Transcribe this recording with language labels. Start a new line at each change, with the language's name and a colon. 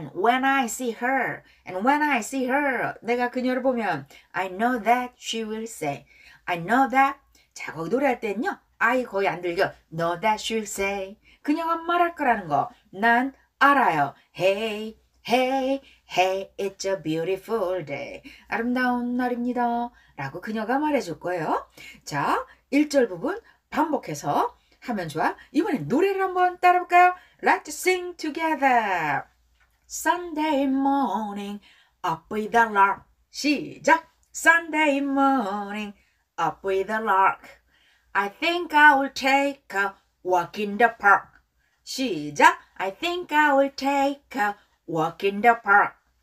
English: And when I see her,
Korean: 내가 그녀를 보면,
English: I know that she will say. I know that.
Korean: 자, 거기 노래할 땐요. I 거의 안 들려.
English: Know that she'll say.
Korean: 그녀가 말할 거라는 거. 난 알아요.
English: Hey, hey, hey, it's a beautiful day.
Korean: 아름다운 날입니다. 라고 그녀가 말해줄 거예요. 자, 1절 부분 반복해서 하면 좋아. 이번엔 노래를 한번 따라볼까요?
English: Let's sing together. Sunday morning, up with the lark.
Korean: 시작!
English: Sunday morning, up with the lark. I think I will take a walk in the park.
Korean: 시작!
English: I think I will take a walk in the park.